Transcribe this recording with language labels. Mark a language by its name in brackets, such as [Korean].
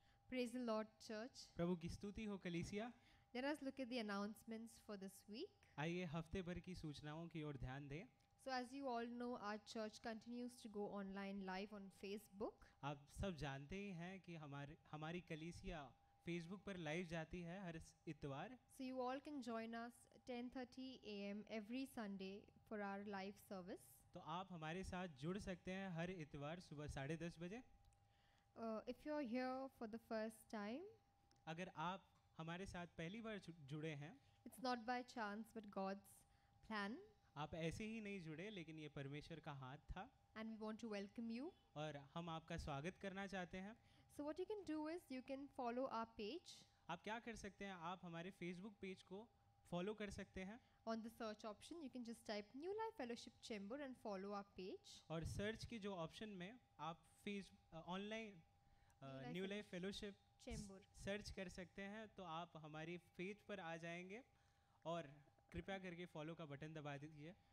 [English] Praise the Lord, Church. [Hindi] प्रभु की स्तुति हो कलीसिया। [English] Let us look at the announcements for this week. [Hindi] आइए हफ्ते भर की सूचनाओं की ओर ध्यान दें। [English] So as you all know, our church continues to go online live on Facebook. [Hindi] आप सब जानते ही हैं कि हमारी कलीसिया Facebook पर लाइव जाती है हर इतवार। [English] So you all can join us 10:30 AM every Sunday for our live service. [Hindi] तो आप हमारे साथ जुड़ सकते हैं हर इतवार सुबह 10:30 बजे। [English] If you're here for the first time, [Hindi] अगर आप हमारे साथ पहली बार जुड़े हैं, [English] it's not by chance but God's plan. [Hindi] आप ऐसे ही नहीं जुड़े, लेकिन ये परमेश्वर का हाथ था. [English] And we want to welcome you. [Hindi] और हम आपका स्वागत करना चाहते हैं. [English] So what you can do is you can follow our page. [Hindi] आप क्या कर सकते हैं? आप हमारे Facebook पेज को फॉलो कर सकते हैं. [English] On the search option, you can just type New Life Fellowship Chamber and follow our page. [Hindi] और सर्च की जो ऑप्शन में आप online new life fellowship chamber search कर सकते हैं, तो आप हमारी पेज पर आ जाएंगे और कृपया करके फॉलो का बटन दबा दीजिए.